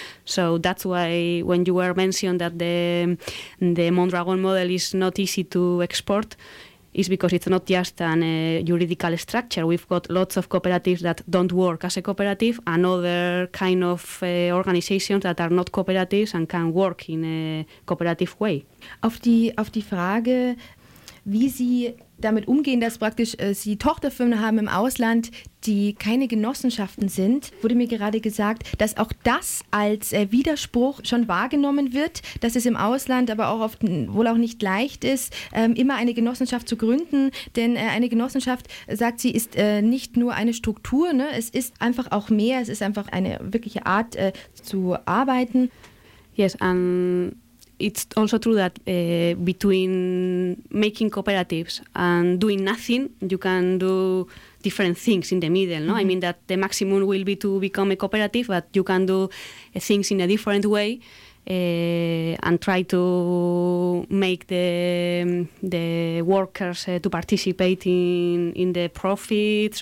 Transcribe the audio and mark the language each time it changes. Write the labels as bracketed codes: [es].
[en] So that's why when you were mentioned that the Mondragon model is not easy to export, is because it's not just a juridical structure. We've got lots of cooperatives that don't work as a cooperative, and other kind of organizations that are not cooperatives and can work in a cooperative way. [de] Auf die Frage, wie Sie damit umgehen, dass praktisch Sie Tochterfirmen haben im Ausland, die keine Genossenschaften sind, wurde mir gerade gesagt, dass auch das als Widerspruch schon wahrgenommen wird, dass es im Ausland aber auch oft wohl auch nicht leicht ist, immer eine Genossenschaft zu gründen, denn eine Genossenschaft, sagt sie, ist nicht nur eine Struktur, ne? Es ist einfach auch mehr, es ist einfach eine wirkliche Art zu arbeiten. [en] Yes, it's also true that between making cooperatives and doing nothing, you can do different things in the middle. No, mm-hmm. I mean that the maximum will be to become a cooperative, but you can do things in a different way and try to make the workers to participate in the profits.